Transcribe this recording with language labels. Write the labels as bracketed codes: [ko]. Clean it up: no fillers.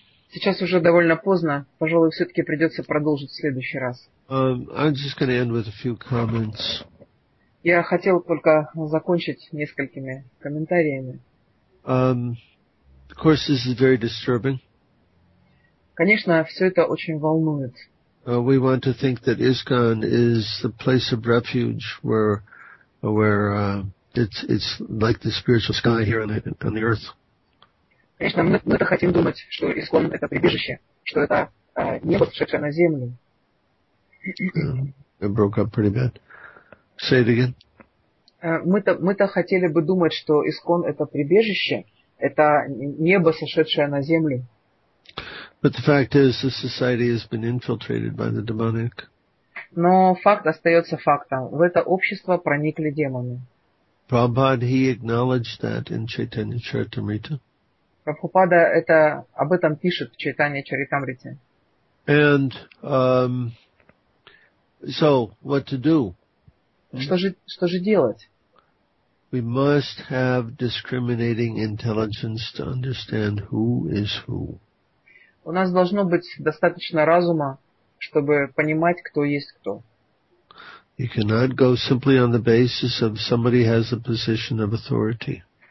[ru] Сейчас уже довольно поздно. Пожалуй, все-таки придется продолжить в следующий раз. [en] I'm just going to end with a few comments. [ru] Я хотел только закончить несколькими комментариями. [en] Of course, this is very disturbing. [ru] Конечно, все это очень волнует. [en] We want to think that ISKCON is the place of refuge where it's like the spiritual sky here on the earth. [ru] Конечно, мы хотим думать, что ИСККОН это прибежище, что это небо, сшедшее на землю. [en] It broke up pretty bad. Say it again. [ru] Мы-то хотели бы думать, что ИСККОН это прибежище, это небо, сошедшее на землю. [en] But the fact is, the society has been infiltrated by the demonic. [ru] Но факт остается фактом. В это общество проникли демоны. [en] Prabhupada, he acknowledged that in Chaitanya Charitamrita. [ru] Прабхупада это об этом пишет в Чайтанья Чаритамрите. [en] And so, what to do? [ru] Что же делать? [en] We must have discriminating intelligence to understand who is who. [ru] У нас должно быть достаточно разума, чтобы понимать, кто есть кто. [en] You cannot go simply on the basis of somebody has a position of authority.